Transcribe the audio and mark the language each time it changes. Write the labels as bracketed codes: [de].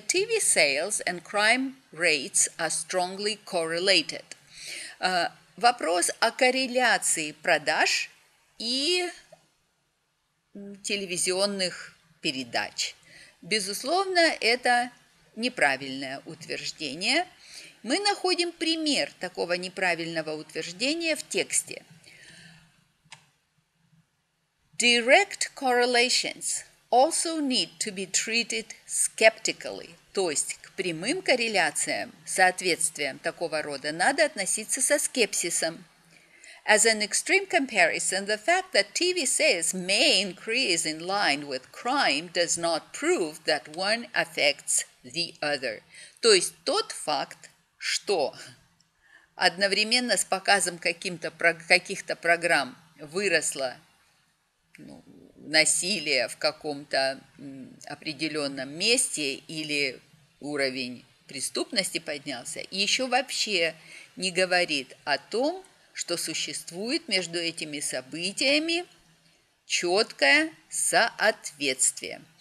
[en] TV sales and crime rates are strongly correlated. [ru] Вопрос о корреляции продаж и телевизионных передач. Безусловно, это неправильное утверждение. Мы находим пример такого неправильного утверждения в тексте. [en] Direct correlations also need to be treated skeptically. [ru] То есть к прямым корреляциям, соответствиям такого рода надо относиться со скепсисом. [en] As an extreme comparison, the fact that TV sales may increase in line with crime does not prove that one affects the other. [ru] То есть тот факт, что одновременно с показом каких-то программ выросло насилие в каком-то определенном месте или уровень преступности поднялся, еще вообще не говорит о том, что существует между этими событиями четкое соответствие.